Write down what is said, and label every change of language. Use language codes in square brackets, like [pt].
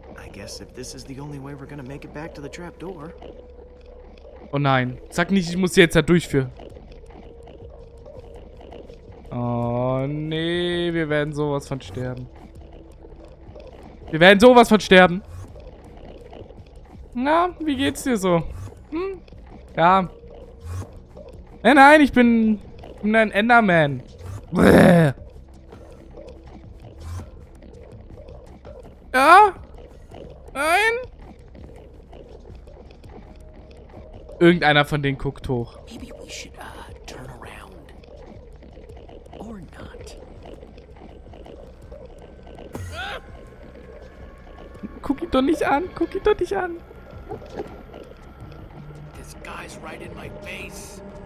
[en] I guess if this is the only way we're gonna make it back to the trap door. [de] Oh nein. Sag nicht, ich muss sie jetzt da durchführen. Oh nee, wir werden sowas von sterben. Na, wie geht's dir so? Ja. Nein, ich bin ein Enderman. Bäh. Ja? Nein? Irgendeiner von denen guckt hoch. [en] Maybe we should, turn around. Or not. [de] Guck ihn doch nicht an. [en] This guy's right in my face.